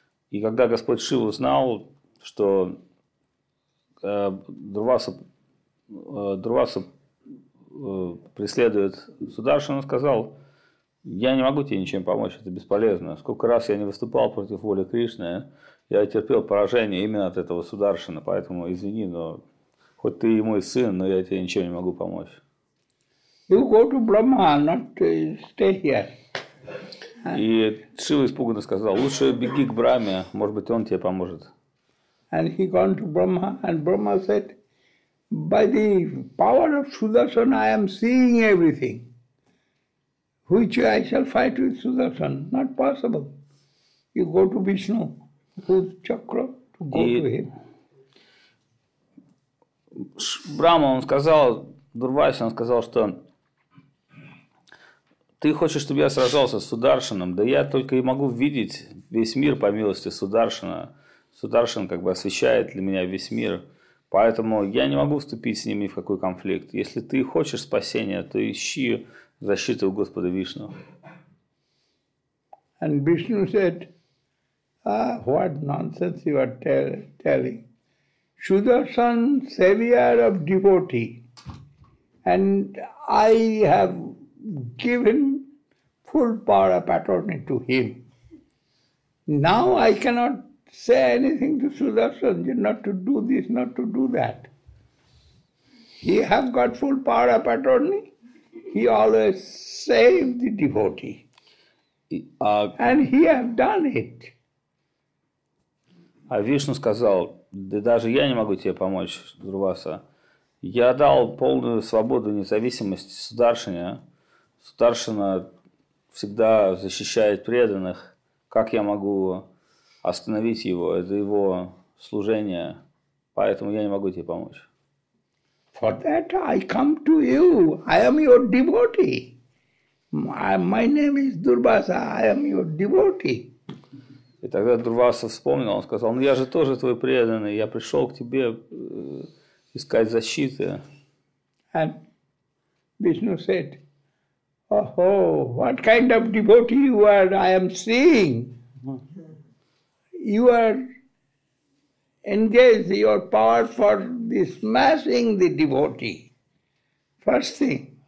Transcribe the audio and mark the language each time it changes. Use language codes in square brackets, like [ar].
[ru] И когда Господь Шива узнал, что Дурваса преследует Сударшану, сказал: «Я не могу тебе ничем помочь, это бесполезно. Сколько раз я не выступал против воли Кришны, я терпел поражение именно от этого Сударшана, поэтому извини, но хоть ты и мой сын, но я тебе ничем не могу помочь». [en] You go to Brahmana to stay here. И Шива испуганно сказал: «Лучше беги к Брахме, может быть, он тебе поможет». And he gone to Brahma, and Brahma said, by the power of Sudarshana, I am seeing everything. Which I shall fight with Sudarshana? Not possible. You go to Vishnu, whose chakra, to go to him. [ru] Брахма, он сказал, Дурвайса, он сказал, что ты хочешь, чтобы я сражался с Сударшаном, да я только и могу видеть весь мир по милости Сударшана. Сударшан как бы освещает для меня весь мир, поэтому я не могу вступить с ними в какой конфликт. Если ты хочешь спасения, то ищи защиты у Господа Вишну. [en] And Vishnu said, what nonsense you are telling. Sudarshan, savior of devotee, and I have given full power of attorney to him. Now I cannot say anything to Sudarshana, not to do this, not to do that. He has got full power of attorney. He always saved the devotee. And he has done it. [ru] А Вишну сказал: да даже я не могу тебе помочь, Дурваса. Я дал полную свободу и независимость Сударшане. Сударшана всегда защищает преданных. Как я могу остановить его, это его служение, поэтому я не могу тебе помочь. [en] For that I come to you. I am your devotee. My name is Durvasa. I am your devotee. [ru] И тогда Дурваса вспомнил, он сказал: ну я же тоже твой преданный, я пришел к тебе искать защиты. [en] And Vishnu said, oh, what kind of devotee you are, I am seeing. You are engaged your power for the smashing the devotee. First thing.